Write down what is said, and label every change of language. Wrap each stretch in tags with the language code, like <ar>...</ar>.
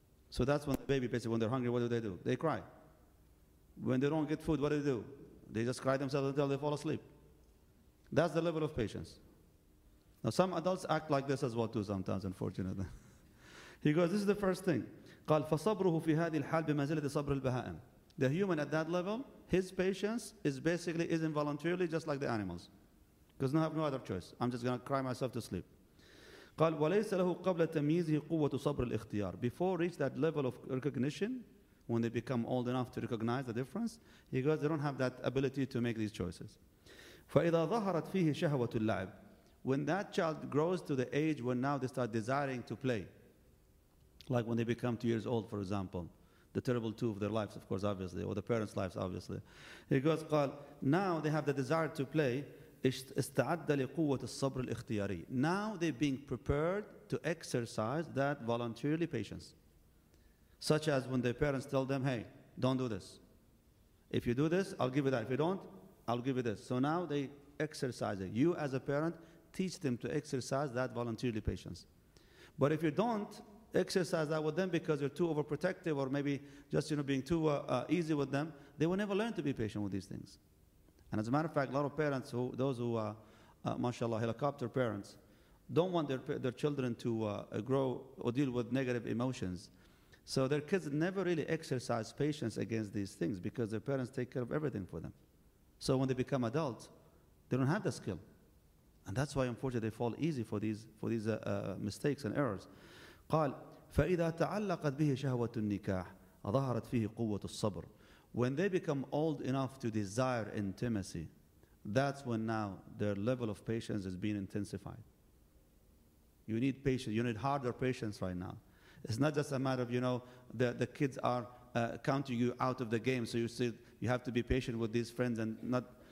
<en>So that's when the baby, basically, when they're hungry, what do? They cry. When they don't get food, what do? They just cry themselves until they fall asleep. That's the level of patience. Now, some adults act like this as well, too, sometimes, unfortunately. He goes, this is the first thing.</en> <ar>قال فصبره في هذه الحال بمنزلة صبر البهائم.</ar> <en>The human at that level, his patience is involuntarily just like the animals. Because I have no other choice. I'm just going to cry myself to sleep.</en> <ar>قال وليس له قبل تمييزه قوة صبر الاختيار.</ar> <en>Before reach that level of recognition, when they become old enough to recognize the difference, he goes, they don't have that ability to make these choices.</en> <ar>فإذا ظهرت فيه شهوة اللعب.</ar> <en>When that child grows to the age when now they start desiring to play, like when they become 2 years old, for example, the terrible two of their lives, of course, obviously, or the parents' lives, obviously. He goes, قال, now they have the desire to play.</en> <ar>استعد لقوة الصبر الاختياري.</ar> <en>Now they're being prepared to exercise that voluntarily patience. Such as when their parents tell them, hey, don't do this. If you do this, I'll give you that. If you don't, I'll give you this. So now they exercise it. You as a parent teach them to exercise that voluntarily patience. But if you don't exercise that with them because you're too overprotective or maybe just, you know, being too easy with them, they will never learn to be patient with these things. And as a matter of fact, a lot of parents, mashallah, helicopter parents, don't want their children to grow or deal with negative emotions. So their kids never really exercise patience against these things because their parents take care of everything for them. So when they become adults, they don't have the skill. And that's why, unfortunately, they fall easy for these mistakes and errors.</en> <ar>قال فإذا تعلقت به شهوة النكاح ظهرت فيه قوة الصبر.</ar> <en>When they become old enough to desire intimacy, that's when now their level of patience is being intensified. You need patience. You need harder patience right now. It's not just a matter of, you know, the kids are counting you out of the game, so you still, you have to be patient with these friends and not.</en>